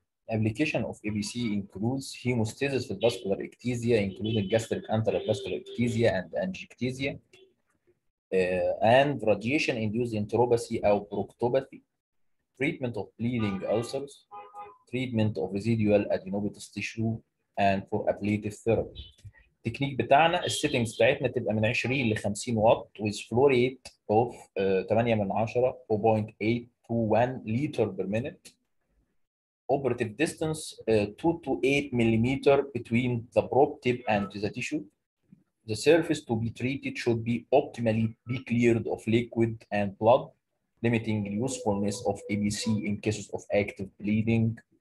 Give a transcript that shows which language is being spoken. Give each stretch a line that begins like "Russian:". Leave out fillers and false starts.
English: Application of ABC includes hemostasis for vascular ectasia, including gastric anterovascular ectasia and angiectasia, and radiation-induced enteropathy or proctopathy, treatment of bleeding ulcers, treatment of residual adenomatous tissue, and for ablative therapy.
Arabic: التكنيك بتاعنا السيتنجز بتاعتنا تبقى من 20 ل 50 واط
English: with flow rate of 8/10 4.821 liter per minute. Operative distance 2 to 8 millimeter between the probe tip and the tissue. The surface to be treated should be optimally be cleared of liquid and blood, limiting usefulness of ABC in cases of active bleeding.